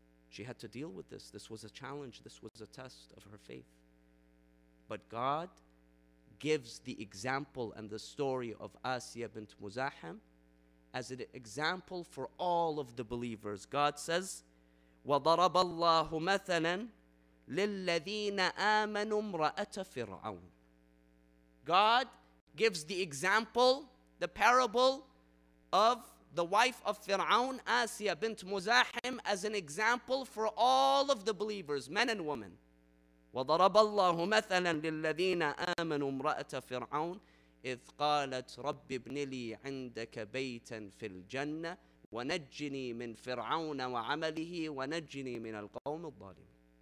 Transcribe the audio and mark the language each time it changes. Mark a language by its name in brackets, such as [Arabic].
[English] She had to deal with this. This was a challenge. This was a test of her faith. But God gives the example and the story of Asiya bint Muzahim as an example for all of the believers. God says, [Arabic] وضرب الله مثلا للذين آمنوا امرأة فرعون. [English] God gives the example, the parable of the wife of Fir'aun, Asiya bint Muzahim, as an example for all of the believers, men and women. [Arabic] وضرب الله مثلا للذين آمنوا امرأة فرعون إذ قالت رب ابن لي عندك بيتا في الجنة ونجني من فرعون وعمله ونجني من القوم الظالم.